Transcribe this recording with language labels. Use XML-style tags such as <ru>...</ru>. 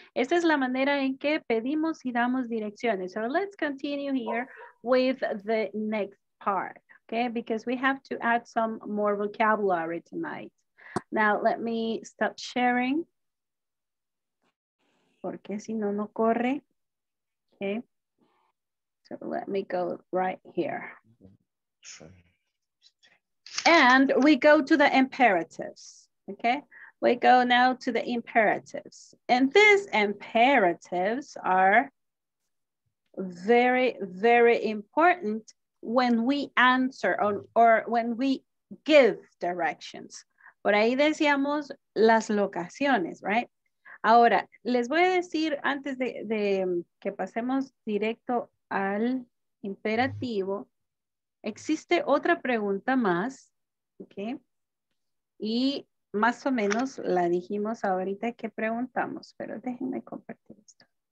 <es>Esta es la manera en que pedimos y damos direcciones.</es> <en>So let's continue here with the next part, okay? Because we have to add some more vocabulary tonight. Now let me stop sharing.</en> <es>Porque si no, no corre.</es> <en>Okay. So let me go right here. And we go to the imperatives, okay? We go now to the imperatives. And these imperatives are very, very important when we answer or when we give directions.</en> <es>Por ahí decíamos las locaciones, right? Ahora, les voy a decir antes de que pasemos directo al imperativo, existe otra pregunta más. Okay. Y más o menos la dijimos ahorita que preguntamos, pero déjenme compartir esto.</es>